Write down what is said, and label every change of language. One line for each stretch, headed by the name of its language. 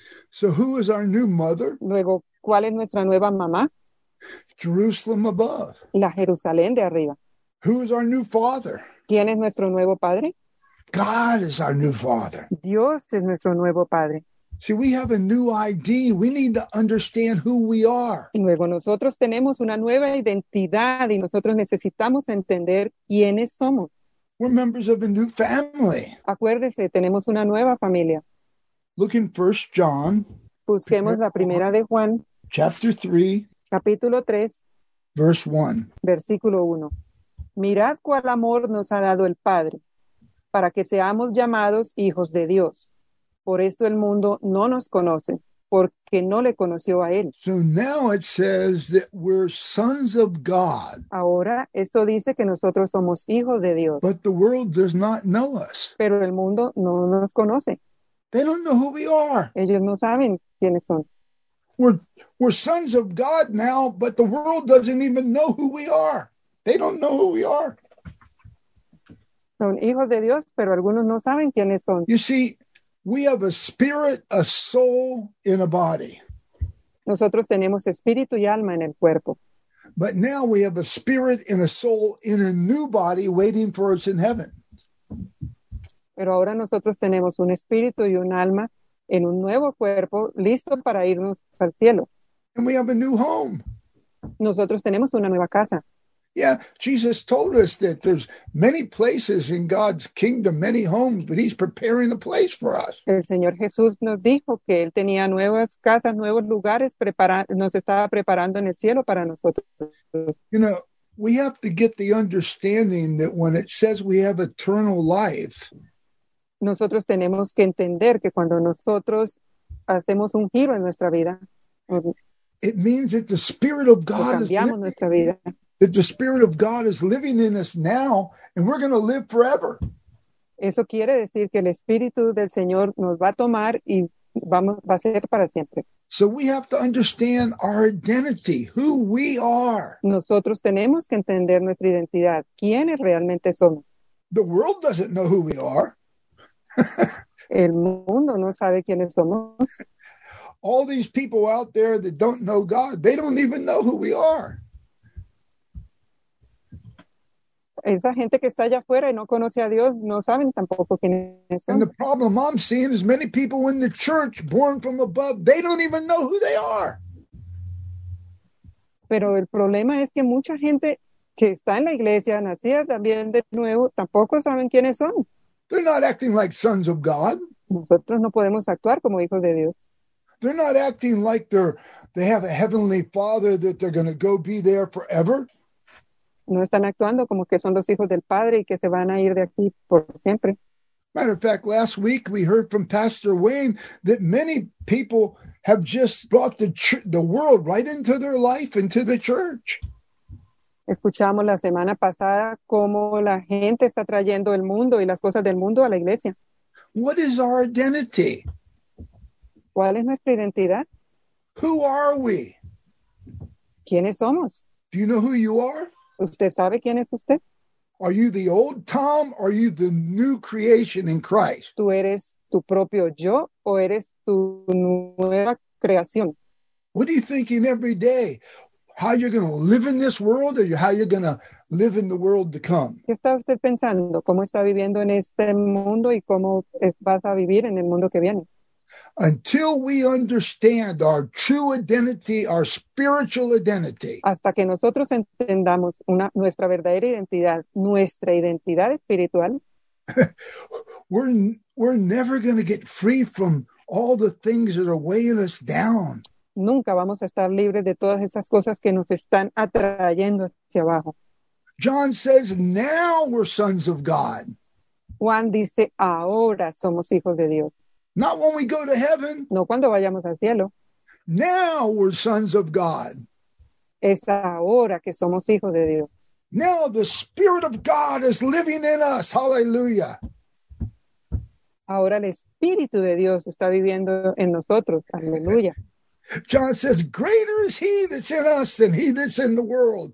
English: So who is our new mother?
Spanish: Luego, ¿cuál es nuestra nueva mamá?
English: Jerusalem above.
Spanish: La Jerusalén de arriba.
English: Who is our new father?
Spanish: ¿Quién es nuestro nuevo padre?
English: God is our new father.
Spanish: Dios es nuestro nuevo padre.
English: See, we have a new ID. We need to understand who we are.
Spanish: Luego nosotros tenemos una nueva identidad y nosotros necesitamos entender quiénes somos.
English: We're members of a new family.
Spanish: Acuérdese, tenemos una nueva familia.
English: Look in 1 John.
Spanish: Busquemos la primera de Juan.
English: Chapter 3.
Spanish: Capítulo 3.
English: Verse 1.
Spanish: Versículo 1. Mirad cuál amor nos ha dado el Padre, para que seamos llamados hijos de Dios. Por esto el mundo no nos conoce, porque no le conoció a él.
English: So now it says that we're sons of God.
Spanish: Ahora esto dice que nosotros somos hijos de Dios.
English: But the world does not know us.
Spanish: Pero el mundo no nos conoce.
English: They don't know who we are.
Spanish: Ellos no saben quiénes son.
English: We're sons of God now, but the world doesn't even know who we are. They don't know who we are.
Spanish: Son hijos de Dios, pero algunos no saben quiénes son.
English: You see, we have a spirit, a soul, and a body.
Spanish: Nosotros tenemos espíritu y alma en el cuerpo.
English: But now we have a spirit and a soul in a new body waiting for us in heaven.
Spanish: Pero ahora nosotros tenemos un espíritu y un alma en un nuevo cuerpo listo para irnos al cielo.
English: And we have a new home.
Spanish: Nosotros tenemos una nueva casa.
English: Yeah, Jesus told us that there's many places in God's kingdom, many homes, but he's preparing a place for us.
Spanish: El Señor Jesús nos dijo que él tenía nuevas casas, nuevos lugares, nos estaba preparando en el cielo para nosotros.
English: You know, we have to get the understanding that when it says we have eternal life,
Spanish: nosotros tenemos que entender que cuando nosotros hacemos un giro en nuestra vida,
English: it means that the Spirit of God
Spanish: cambiamos nuestra vida.
English: That the Spirit of God is living in us now, and we're going to live forever.
Spanish: Eso quiere decir que el Espíritu del Señor nos va a tomar y va a ser para siempre.
English: So we have to understand our identity, who we are.
Spanish: Nosotros tenemos que entender nuestra identidad, quiénes realmente somos.
English: The world doesn't know who we are.
Spanish: El mundo no sabe quiénes somos.
English: All these people out there that don't know God, they don't even know who we are.
Spanish: Esa gente que está allá afuera y no conoce a Dios, no saben tampoco quiénes son.
English: And the problem I'm seeing is many people in the church, born from above, they don't even know who they are.
Spanish: Pero el problema es que mucha gente que está en la iglesia, nacida también de nuevo, tampoco saben quiénes son.
English: They're not acting like sons of God.
Spanish: Nosotros no podemos actuar como hijos de Dios.
English: They're not acting like they have a heavenly father that they're going to go be there forever.
Spanish: No están actuando como que son los hijos del Padre y que se van a ir de aquí por siempre.
English: Matter of fact, last week we heard from Pastor Wayne that many people have just brought the world right into their life, into the church.
Spanish: Escuchamos la semana pasada cómo la gente está trayendo el mundo y las cosas del mundo a la iglesia.
English: What is our identity?
Spanish: ¿Cuál es nuestra identidad?
English: Who are we?
Spanish: ¿Quiénes somos?
English: Do you know who you are?
Spanish: ¿Usted sabe quién es usted?
English: Are you the old Tom or are you the new creation in Christ?
Spanish: ¿Tú eres tu propio yo o eres tu nueva creación?
English: What are you thinking every day? How you're going to live in this world or how you're going to live in the world to come?
Spanish: ¿Qué está usted pensando? ¿Cómo está viviendo en este mundo y cómo vas a vivir en el mundo que viene?
English: Until we understand our true identity, our spiritual identity.
Spanish: Hasta que nosotros entendamos nuestra verdadera identidad, nuestra identidad espiritual.
English: we're never going to get free from all the things that are weighing us down.
Spanish: Nunca vamos a estar libres de todas esas cosas que nos están atrayendo hacia abajo.
English: John says, now we're sons of God.
Spanish: Juan dice, ahora somos hijos de Dios.
English: Not when we go to heaven.
Spanish: No cuando vayamos al cielo.
English: Now we're sons of God.
Spanish: Es ahora que somos hijos de Dios.
English: Now the Spirit of God is living in us. Hallelujah.
Spanish: Ahora el Espíritu de Dios está viviendo en nosotros. Aleluya.
English: John says, greater is he that's in us than he that's in the world.